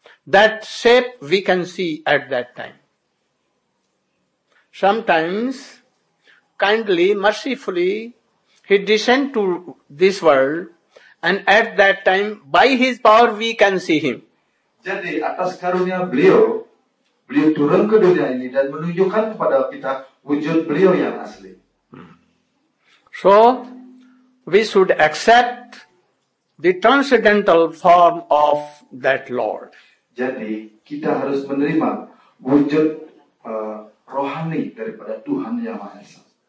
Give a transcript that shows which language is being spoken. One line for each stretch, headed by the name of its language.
English: That shape we can see at that time. Sometimes, kindly, mercifully, he descends to this world, and at that time, by his power, we can see him.
Indonesian: Jadi atas karunia beliau turun ke dunia ini dan menunjukkan kepada kita wujud beliau yang asli.
English: So, we should accept the transcendental form of that Lord.
Indonesian: Jadi kita harus menerima wujud rohani daripada Tuhan yang Maha Esa.